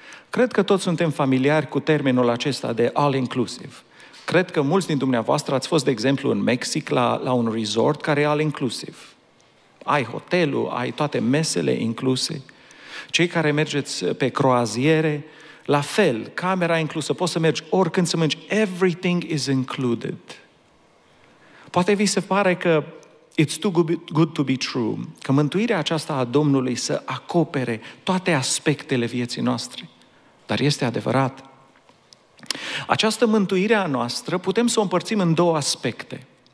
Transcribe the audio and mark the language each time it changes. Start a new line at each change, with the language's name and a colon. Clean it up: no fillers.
Romanian: Cred că toți suntem familiari cu termenul acesta de all-inclusive. Cred că mulți din dumneavoastră ați fost, de exemplu, în Mexic la un resort care e all-inclusive. Ai hotelul, ai toate mesele incluse. Cei care mergeți pe croaziere, la fel, camera inclusă, poți să mergi oricând să mănânci.
English: Everything is included.
Romanian: Poate vi se pare că
English: it's too good to be true,
Romanian: că mântuirea aceasta a Domnului să acopere toate aspectele vieții noastre. Dar este adevărat. Această mântuire a noastră putem să o împărțim în două aspecte.